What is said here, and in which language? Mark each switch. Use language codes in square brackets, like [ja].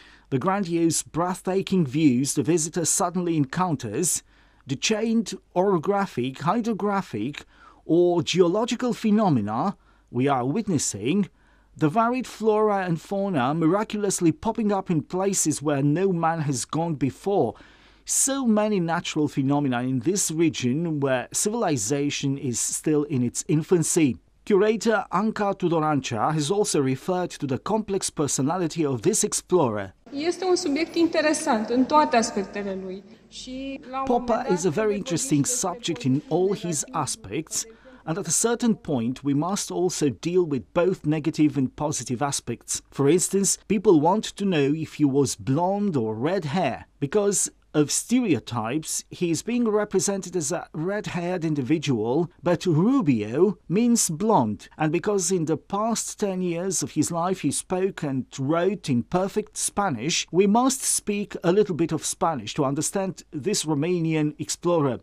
[en] The grandiose, breathtaking views the visitor suddenly encounters, the chained orographic, hydrographic or geological phenomena we are witnessing, the varied flora and fauna miraculously popping up in places where no man has gone before. So many natural phenomena in this region where civilization is still in its infancy. Curator Anca Tudorancia has also referred to the complex personality of this explorer. [ro] Este un subiect interesant în toate aspectele lui. [en] Popper is a very interesting subject in all his aspects, and at a certain point we must also deal with both negative and positive aspects. For instance, people want to know if he was blonde or red hair, because of stereotypes, he is being represented as a red-haired individual, but Rubio means blonde, and because in the past 10 years of his life he spoke and wrote in perfect Spanish, we must speak a little bit of Spanish to understand this Romanian explorer.